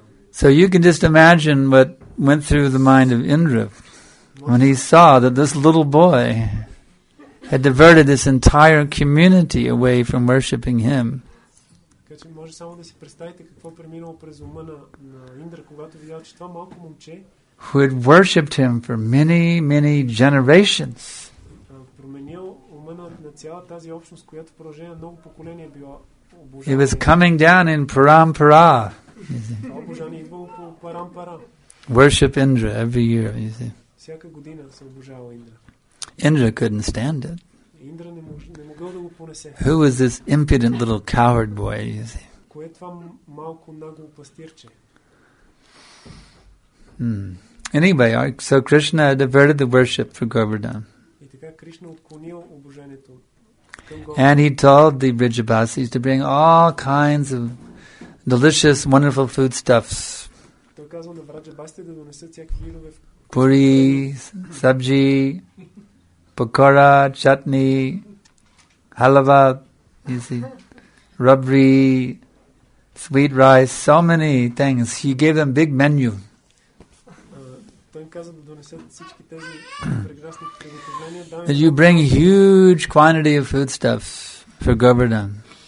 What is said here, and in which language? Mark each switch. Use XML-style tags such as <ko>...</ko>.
<en>So you can just imagine what went through the mind of Indra when he saw that this little boy had diverted this entire community away from worshipping him.</en> <bg>Може само да си представите какво преминало през ума на Индра, когато видял, че това малко момче,</bg> <en>who had worshipped him for many, many generations,</en> <bg>променил ума на цяла тази общност, която продължение на много поколения била обожание.</bg> <en>He was coming down in parampara.</en> <bg>Обожание идвало по парампара.</bg> <en>Worship Indra every year, you see.</en> <bg>Всяка година се обожава Индра.</bg> <en>Indra couldn't stand it.</en> <bg>Индра не може.</bg> <en>Who is this impudent little coward boy, you see?</en> <bg>Кое е това малко нагло пастирче?</bg> <en>Anyway, so Krishna diverted the worship for Govardhan.</en> <bg>И така Кришна отклонил обожението към Говардхан.</bg> <en>And he told the Brijabasis to bring all kinds of delicious, wonderful foodstuffs.</en> <bg>Той казал на Брджабасите да донесат всякакви видове.</bg> <hi>Пури, сабджи, покора, чатни, halava,</hi> <en>you see, rubbery, sweet rice, so many things. He gave them big menu. That you bring huge quantity of foodstuffs for Govardhan.</en>